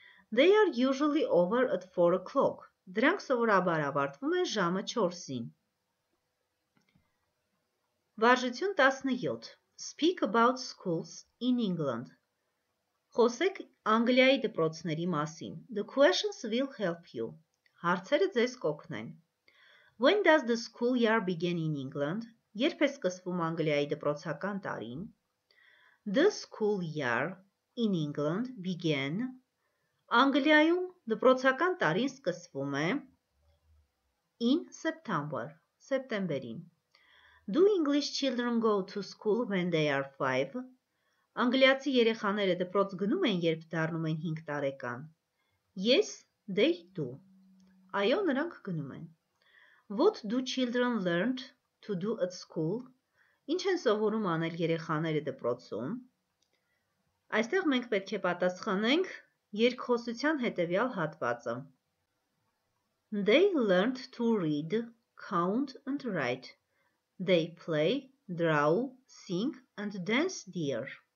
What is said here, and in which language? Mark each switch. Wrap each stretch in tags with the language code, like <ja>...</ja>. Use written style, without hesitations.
<en>They are usually over at 4 o'clock.</en> <hy>Դրանք սովորաբար ավարտվում են ժամը 4-ին. Վարժություն 17.</hy> <en>Speak about schools in England.</en> <hy>Խոսեք Անգլիայի դպրոցների մասին.</hy> <en>The questions will help you.</en> <hy>Հարցերը ձեզ կօգնեն.</hy> <en>When does the school year begin in England?</en> <hy>Երբ է սկսվում Անգլիայի դպրոցական տարին?</hy> <en>The school year in England began.</en> <hy>Անգլիայում դպրոցական տարին սկսվում է</hy> <en>in September,</en> <hy>սեպտեմբերին.</hy> <en>Do English children go to school when they are 5?</en> <hy>Անգլիացի երեխաները դպրոց գնում են, երբ դառնում են 5 տարեկան.</hy> <en>Yes, they do.</en> <hy>Այո, նրանք գնում են.</hy> <en>What do children learn to do at school?</en> <hy>Ինչ են սովորում անել երեխաները դպրոցում? Այստեղ մենք պետք է պատասխանենք երկխոսության հետևյալ հատվածը.</hy> <en>They learned to read, count and write. They play, draw, sing and dance deer.</en>